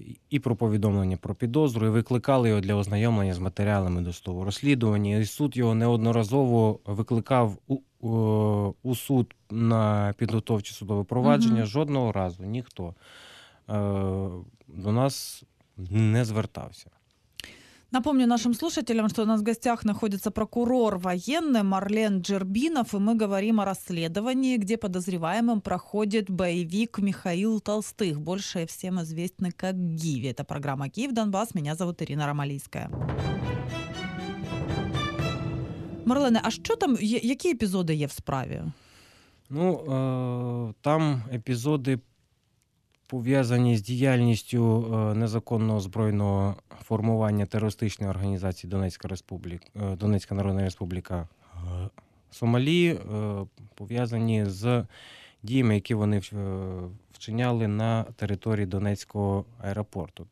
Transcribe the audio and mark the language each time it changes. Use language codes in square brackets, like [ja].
[uk] і про повідомлення про підозру, і викликали його для ознайомлення з матеріалами досудового розслідування. І суд його неодноразово викликав у суд на підготовче судове провадження. Угу. Жодного разу ніхто до нас не звертався. [ru] Напомню нашим слушателям, что у нас в гостях находится прокурор военный Марлен Джербинов, и мы говорим о расследовании, где подозреваемым проходит боевик Михаил Толстых, больше всем известный как Гиви. Это программа «Киев, Донбасс». Меня зовут Ирина Ромалийская. Марлене, а что там, какие эпизоды есть в справе? [uk] Ну, там эпизоды, пов'язані з діяльністю незаконного збройного формування терористичної організації Донецька Народна Республіка Сомалі, пов'язані з діями, які вони вчиняли на території Донецького аеропорту.